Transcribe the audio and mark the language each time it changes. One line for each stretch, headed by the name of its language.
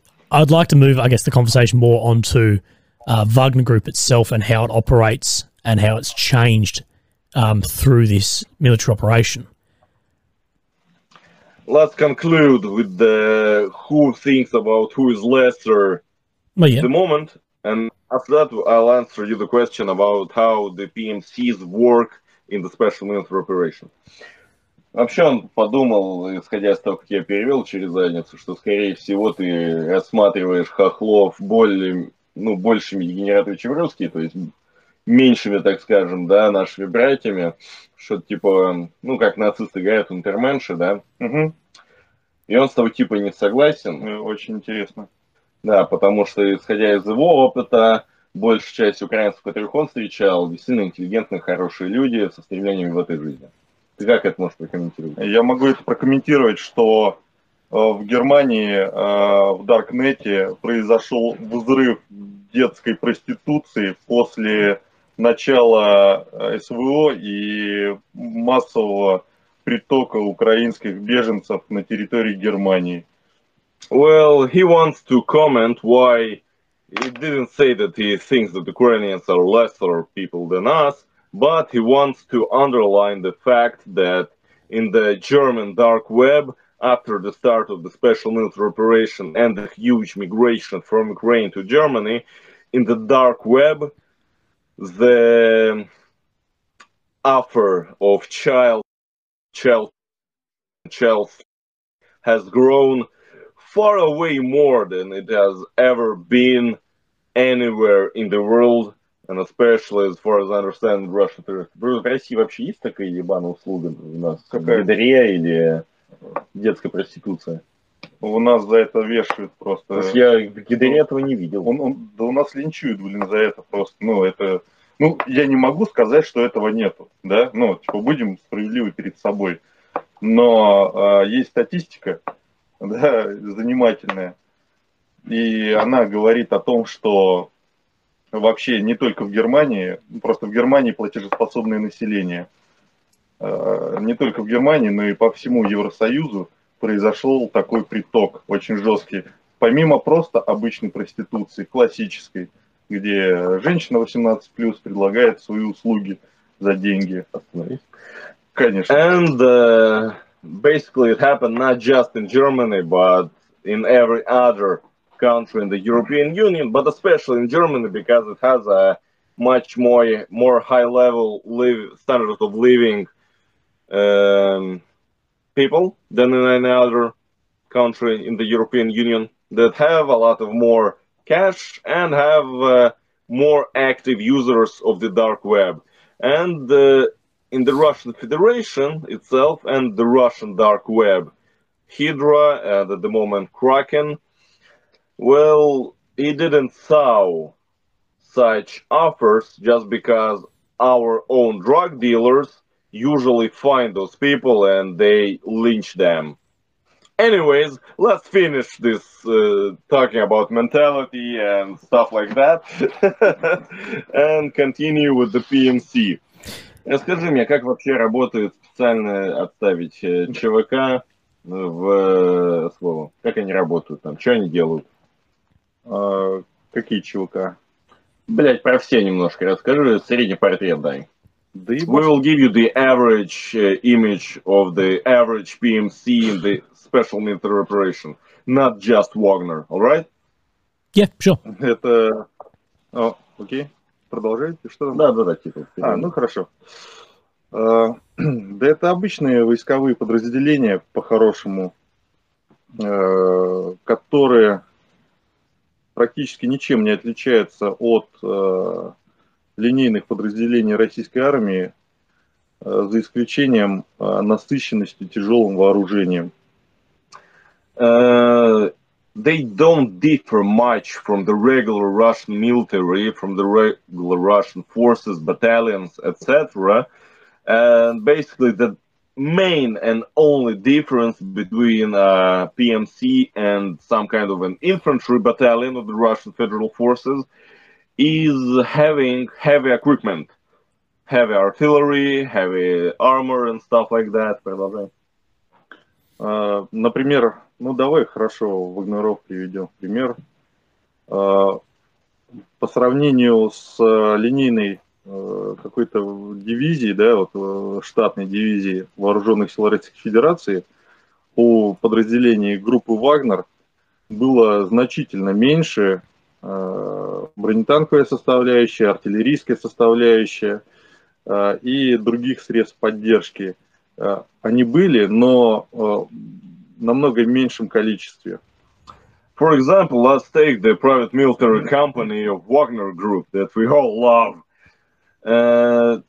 English: I'd like to move, I guess, the conversation more onto Wagner Group itself and how it operates and how it's changed through this military operation. Let's conclude with the who thinks about who is lesser. Well, yeah. The moment, and after that, I'll answer you the question about how the PMCs work in the special military operation.
Russian: Вообще, он подумал, исходя из того, как я перевел через задницу, что, скорее всего, ты рассматриваешь хохлов более, ну, большими дегенератами, чем русские, то есть меньшими, так скажем, да, нашими братьями, что-то типа, ну, как нацисты говорят, унтерменши, да? Угу. И он с того типа не согласен. Очень интересно. Да, потому что, исходя из его опыта, большая часть украинцев, которых он встречал, действительно интеллигентные, хорошие люди со стремлениями в этой жизни. Ты как это можешь прокомментировать? Я могу это прокомментировать, что в Германии в Даркнете произошел взрыв детской проституции после начала СВО и массового притока украинских беженцев на территории Германии.
English: Well, he wants to comment why he didn't say that he thinks that Ukrainians are lesser people than us, but he wants to underline the fact that in the German dark web, after the start of the special military operation and the huge migration from Ukraine to Germany, in the dark web, the offer of child has grown far away more than it has ever been anywhere in the world, and especially as far as I understand, Russia.
Russian: В России вообще есть такая ебаная услуга у нас? Бедре или детская проституция? У нас за это вешают просто. Я бедре этого не видел. Да у нас линчуют, блин, за это просто. Ну, это. Ну, я не могу сказать, что этого нету, да? Ну, типа, будем справедливы перед собой. Но есть статистика. Да, занимательная. И она говорит о том, что вообще не только в Германии, просто в Германии платежеспособное население, не только в Германии, но и по всему Евросоюзу произошел такой приток, очень жесткий. Помимо просто обычной проституции, классической, где женщина 18+, предлагает свои услуги за деньги. Конечно.
English: And basically, it happened not just in Germany, but in every other country in the European Union, but especially in Germany, because it has a much more high level standard of living people than in any other country in the European Union that have a lot of more cash and have more active users of the dark web. And in the Russian Federation itself and the Russian dark web, Hydra and at the moment Kraken, well, he didn't sow such offers just because our own drug dealers usually find those people and they lynch them. Anyways, let's finish this talking about mentality and stuff like that and continue with the PMC.
Russian: Расскажи мне, как вообще работает специально отставить ЧВК в слово? Как они работают там? Что они делают? Какие ЧВК? Блять, про все немножко расскажи, средний портрет дай.
English: We will give you the average image of the average PMC in the special military operation, not just Wagner, alright? Yeah, sure.
Russian: Это... О, окей. Продолжайте, что там? Да-да-да, типа. А, ну хорошо. Да это обычные войсковые подразделения, по-хорошему, которые практически ничем не отличаются от... линейных подразделений российской армии, за исключением насыщенности тяжелым вооружением.
English: They don't differ much from the regular Russian military, from the regular Russian forces, battalions, etc. And basically the main and only difference between a PMC and some kind of an infantry battalion of the Russian Federal Forces is having heavy equipment, heavy artillery, heavy armor and stuff like that.
Russian: Продолжай. Например, ну давай, хорошо, Вагнеров приведем пример. По сравнению с линейной какой-то дивизией, да, вот штатной дивизией Вооруженных сил Российской Федерации, у подразделений группы Вагнер было значительно меньше бронетанковая составляющая, артиллерийская составляющая и других средств поддержки. Они были, но намного в меньшем количестве.
English: For example, let's take the private military company of Wagner Group that we all love.